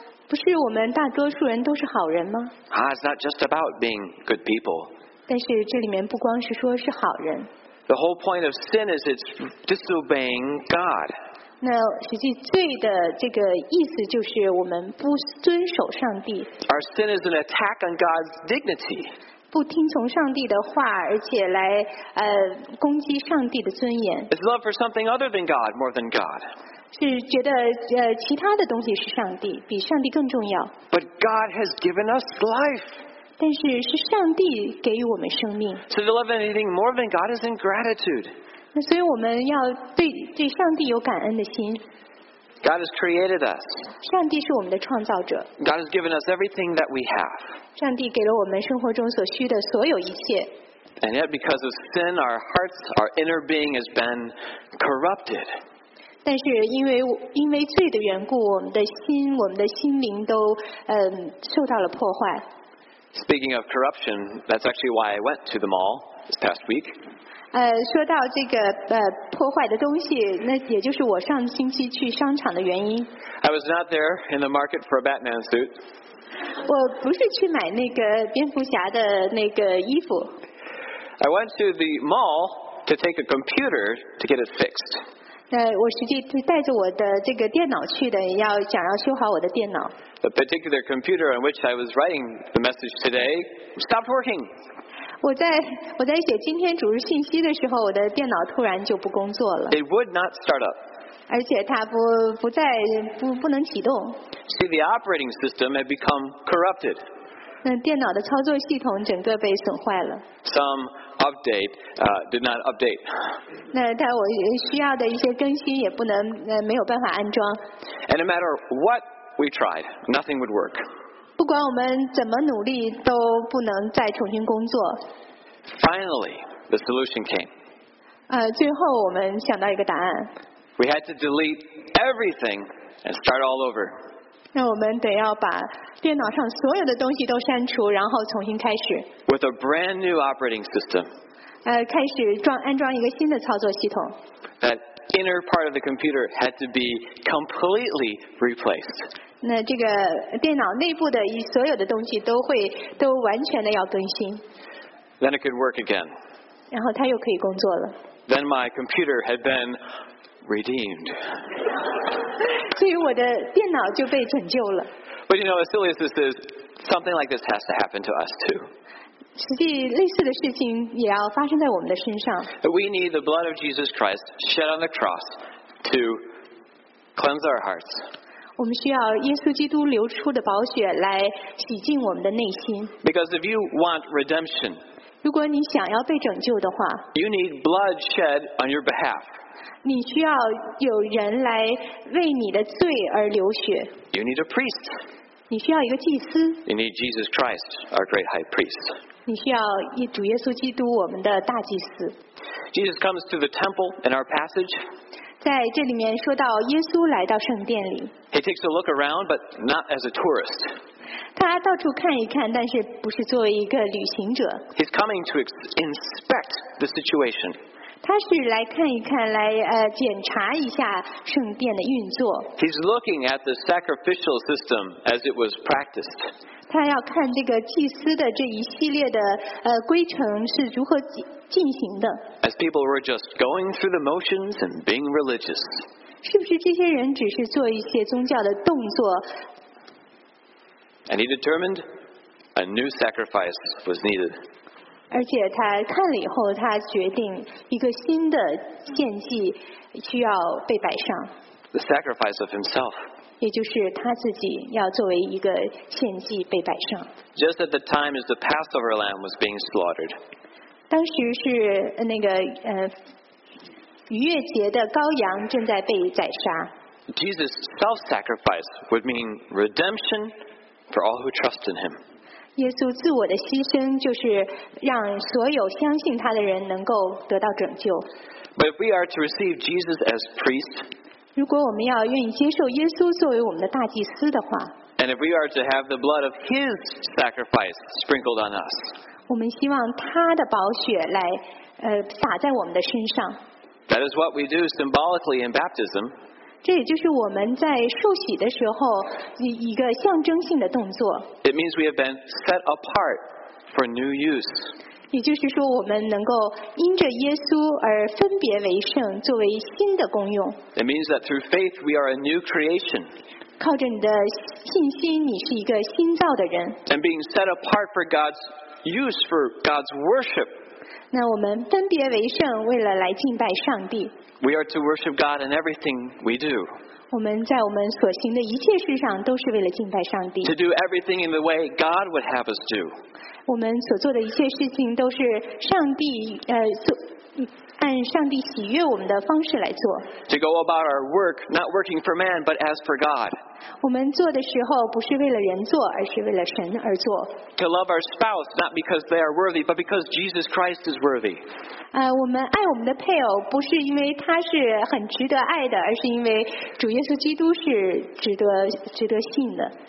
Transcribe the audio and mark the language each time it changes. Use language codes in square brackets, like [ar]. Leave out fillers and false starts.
[zh] 不是我们大多数人都是好人吗？ [en] It's not just about being good people. [zh] 但是这里面不光是说是好人。 [en] The whole point of sin is it's disobeying God. [zh] 那实际罪的这个意思就是我们不遵守上帝。 [en] Our sin is an attack on God's dignity. [zh] 不听从上帝的话，而且来攻击上帝的尊严。 [en] It's love for something other than God, more than God. [zh] 是觉得其他的东西是上帝，比上帝更重要。 [en] But God has given us life. [zh] 但是是上帝给予我们生命。 [en] So to love anything more than God is ingratitude. [zh] 那所以我们要对上帝有感恩的心。 [en] God has created us. [zh] 上帝是我们的创造者。 [en] God has given us everything that we have. [zh] 上帝给了我们生活中所需的所有一切。 [en] And yet because of sin, our hearts, our inner being has been corrupted. [zh] 但是因为罪的缘故，我们的心，我们的心灵都受到了破坏。 [en] Speaking of corruption, that's actually why I went to the mall this past week. [zh] 说到这个破坏的东西，那也就是我上星期去商场的原因。 [en] I was not there in the market for a Batman suit. [zh] 我不是去买那个蝙蝠侠的那个衣服。 [en] I went to the mall to take a computer to get it fixed. [zh] 我实际带着我的这个电脑去的，想要修好我的电脑。 [en] The particular computer on which I was writing the message today stopped working. [zh] 我在写今天主日信息的时候，我的电脑突然就不工作了。 [en] It would not start up. [zh] 而且它不能启动。 [en] See, the operating system had become corrupted. [zh] 那电脑的操作系统整个被损坏了。 [en] Some update, did not update. [zh] 那它我需要的一些更新也不能没有办法安装。 [en] And no matter what we tried, nothing would work. [zh] 不管我们怎么努力，都不能再重新工作。 [en] Finally, the solution came. [zh] 最后我们想到一个答案。 [en] We had to delete everything and start all over. [zh] 那我们得要把电脑上所有的东西都删除，然后重新开始。 [en] With a brand new operating system. [zh] 开始安装一个新的操作系统。 [en] That inner part of the computer had to be completely replaced. [zh] 那这个电脑内部的所有的东西都完全的要更新。 [en] Then it could work again. [zh] 然后它又可以工作了。 [en] Then my computer had been redeemed. [zh] 所以我的电脑就被拯救了。 [en] But you know, as silly as this is, something like this has to happen to us too. [zh] 实际类似的事情也要发生在我们的身上。 [en] We need the blood of Jesus Christ shed on the cross to cleanse our hearts. [zh] 我们需要耶稣基督流出的宝血来洗净我们的内心。 [en] Because if you want redemption, [zh] 如果你想要被拯救的话， [en] you need blood shed on your behalf. [zh] 你需要有人来为你的罪而流血。 [en] You need a priest. [zh] 你需要一个祭司。 [en] You need Jesus Christ, our great high priest. [zh] 你需要主耶稣基督我们的大祭司。 [en] Jesus comes to the temple in our passage. [zh] 在这里面说到耶稣来到圣殿里。 [en] He takes a look around, but not as a tourist. [zh] 他到处看一看，但是不是作为一个旅行者。 [en] He's coming to inspect the situation. [zh] 他是来看一看，来检查一下圣殿的运作。 [en] He's looking at the sacrificial system as it was practiced. [zh] 他要看这个祭司的这一系列的规程是如何进行的。 [en] As people were just going through the motions and being religious. [zh] 是不是这些人只是做一些宗教的动作？ [en] And he determined a new sacrifice was needed. [zh] 而且他看了以后，他决定一个新的献祭需要被摆上。 [en] The sacrifice of himself. [zh] 也就是他自己要作为一个献祭被摆上。 [en] Just at the time as the Passover lamb was being slaughtered. [zh] 当时是那个逾越节的羔羊正在被宰杀。 [en] Jesus' self-sacrifice would mean redemption for all who trust in him. [zh] 耶稣自我的牺牲就是让所有相信他的人能够得到拯救。 [en] But if we are to receive Jesus as priest, [zh] 如果我们要愿意接受耶稣作为我们的大祭司的话， [en] and if we are to have the blood of his sacrifice sprinkled on us, [zh] 我们希望他的宝血来洒在我们的身上。 [en] That is what we do symbolically in baptism. [zh] 这也就是我们在受洗的时候一个象征性的动作。 [en] It means we have been set apart for new use. [zh] 也就是说我们能够因着耶稣而分别为圣，作为新的功用。 [en] It means that through faith we are a new creation. [zh] 靠着你的信心，你是一个新造的人。 [en] And being set apart for God's use, for God's worship. [zh] 那我们分别为圣，为了来敬拜上帝。 [en] We are to worship God in everything we do. [zh] 我们在我们所行的一切事上都是为了敬拜上帝。 [en] To do everything in the way God would have us do. [zh] 我们所做的一切事情都是上帝按上帝喜悦我们的方式来做。 [en] To go about our work, not working for man, but as for God. [zh] 我们做的时候不是为了人做，而是为了神而做。 [en] To love our spouse, not because they are worthy, but because Jesus Christ is worthy. [zh] 我们爱我们的配偶不是因为他是很值得爱的，而是因为主耶稣基督是值得信的。